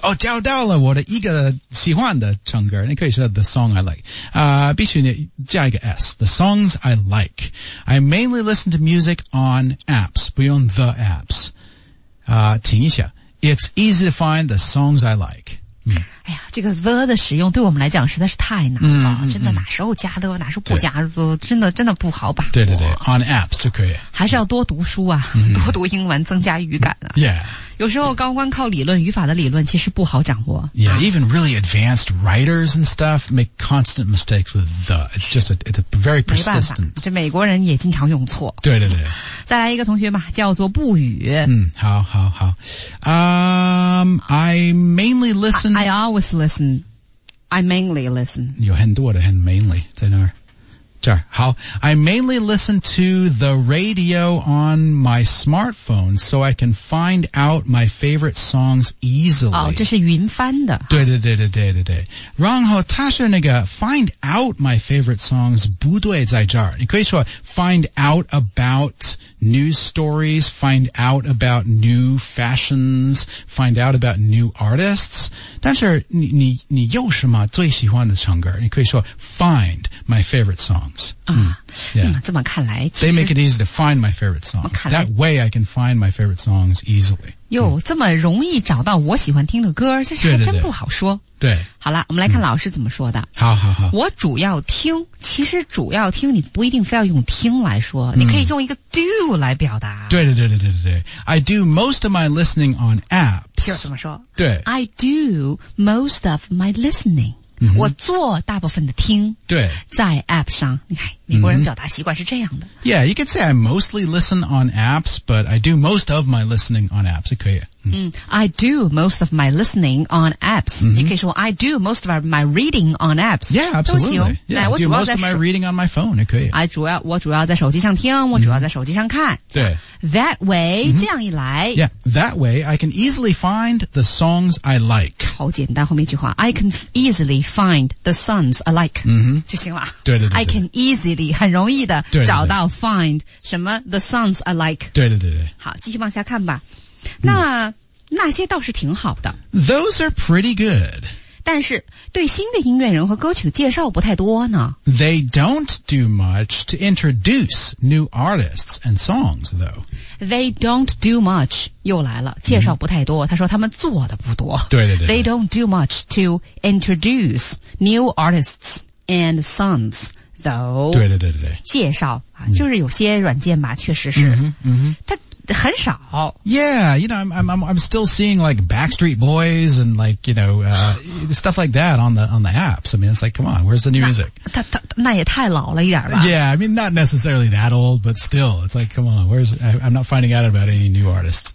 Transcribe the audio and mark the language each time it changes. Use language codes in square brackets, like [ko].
[zh] Oh, 找到了我的一个喜欢的唱歌。你可以说 [en] the song I like. [zh] 必须你加一个 [en] S. The songs I like. I mainly listen to music on apps. [zh] 不用 the apps. 听一下。 [en] It's easy to find the songs I like. [zh] 哎呀这个 the 的使用对我们来讲实在是太难了、真的哪时候加的哪时候不加的真的不好把握对对对 on apps 就可以还是要多读书啊、多读英文增加语感啊 [en] yeah [zh] 有时候高光靠理论语法的理论其实不好掌握 [en] yeah even really advanced writers and stuff make constant mistakes with the it's just it's a very persistent [zh] 没办法这美国人也经常用错对对对再来一个同学嘛叫做不语 [en] 好好好、I mainly listen I always listen. I mainly listen. [zh] 有很多的很 mainly 在那儿。这儿好 [en] I mainly listen to the radio on my smartphone so I can find out my favorite songs easily. [zh] 哦这是云翻的。对对对对对对对。然后他是那个 [en] find out my favorite songs [zh] 不对在这儿。你可以说 [en] find out about news stories, find out about new fashions, find out about new artists. [zh] 但是你有什么最喜欢的唱歌你可以说 [en] find my favorite songs. [zh] 这么看来 [en] They make it easy to find my favorite songs. That way I can find my favorite songs easily. [zh] 哟这么容易找到我喜欢听的歌这是还真不好说。对, 对, 对。好了我们来看老师怎么说的。好好好。我主要听其实主要听你不一定非要用听来说你可以用一个 do 来表达。 [en] 对对对对对对对。I do most of my listening on apps. [zh] 就怎么说对。 [en] I do most of my listening. [zh] 我做大部分的听对在 app 上你看美国人表达习惯是这样的。 [en] Yeah, you could say I mostly listen on apps, but I do most of my listening on apps, 可以。 I do most of my listening on apps. [zh] 你可以说 [en] I do most of my reading on apps. Yeah, absolutely. Yeah, I do most of my reading on my phone, 可以。 [zh] 我主要在手机上听我主要在手机上看。对。 [en] That way, [zh] 这样一来。 [en] Yeah, that way, I can easily find the songs I like. [zh] 超简单后面一句话。 [en] I can easily find the songs I like. [zh] 就行了。对对对。 [en] I can easily [zh] 很容易的找到 [en] find 什么 the songs I like [zh] 对对对对好继续往下看吧那那些倒是挺好的 [en] those are pretty good [zh] 但是对新的音乐人和歌曲的介绍不太多呢 [en] they don't do much to introduce new artists and songs though they don't do much [zh] 又来了介绍不太多他说他们做的不多对对 对, 对 [en] they don't do much to introduce new artists and songs though [zh] 对对对对介绍、就是有些软件吧确实是它很少 [en] yeah you know I'm still seeing like Backstreet Boys and like you know stuff like that on the apps I mean it's like come on where's the new music [zh] 那也太老了一点吧 [en] yeah I mean not necessarily that old but still it's like come on where's I'm not finding out about any new artists